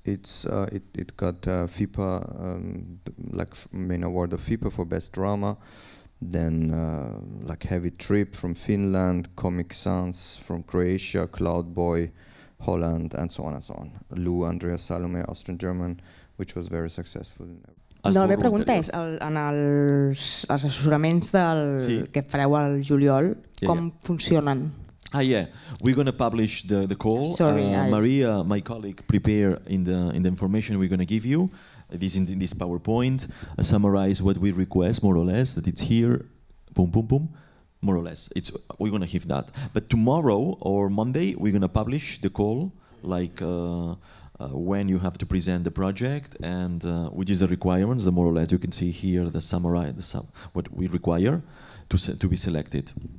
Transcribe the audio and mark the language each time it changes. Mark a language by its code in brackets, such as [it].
[en] It got FIPA, main award of FIPA for best drama. Then Heavy Trip from Finland, Comic Sans from Croatia, Cloud Boy, Holland, and so on and so on. Lou Andrea Salome, Austrian German, which was very successful. [ca] No, la meva pregunta és, en els assessoraments del que fareu al juliol, com funcionen? [en] Ah, yeah, we're going to publish the call. Sorry, Maria, my colleague, prepare in the information we're going to give you. This in this PowerPoint, summarize what we request, more or less, that it's here, boom, boom, boom, more or less. It's we're going to give that. But tomorrow or Monday, we're going to publish the call, like when you have to present the project, and which is the requirements, the more or less. You can see here the summary, what we require to be selected.